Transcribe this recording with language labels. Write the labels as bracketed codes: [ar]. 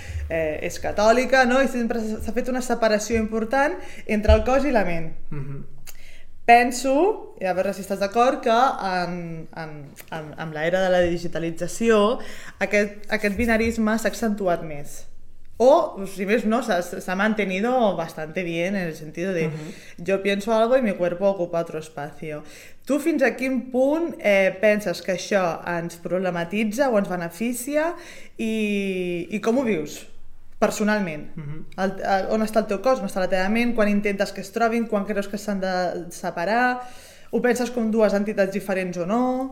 [ca] És catòlica, no? I sempre s'ha fet una separació important entre el cos i la ment. Mm-hmm. Penso, i a veure si estàs d'acord, que en l'era de la digitalització aquest binarisme s'ha accentuat més. O, si més no, [es] s'ha mantenido bastante bien en el sentido de uh-huh. yo pienso algo y mi cuerpo ocupa otro espacio. [ca] Tu fins a quin punt penses que això ens problematitza o ens beneficia i com ho vius personalment? Uh-huh. On està el teu cos? On està la teva ment? Quan intentes que es trobin? Quan creus que s'han de separar? Ho penses com dues entitats diferents o no?